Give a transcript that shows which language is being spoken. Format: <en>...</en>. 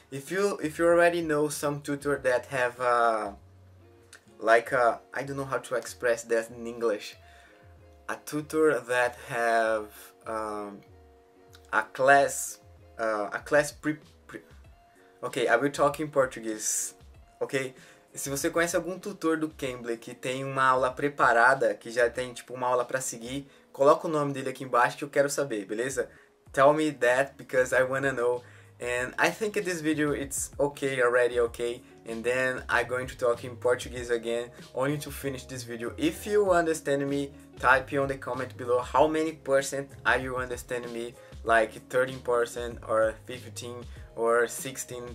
<en>If you already know some tutor that have I don't know how to express that in English, a tutor that have okay, I will talk in Portuguese, okay?</en> <pt>Se você conhece algum tutor do Cambly que tem uma aula preparada, que já tem tipo uma aula pra seguir, coloca o nome dele aqui embaixo que eu quero saber, beleza?</pt> <en>Tell me that because I wanna know. And I think this video it's okay, already okay. And then I'm going to talk in Portuguese again, only to finish this video. If you understand me, type on the comment below how many percent are you understand me, like 13% or 15 or 16.</en>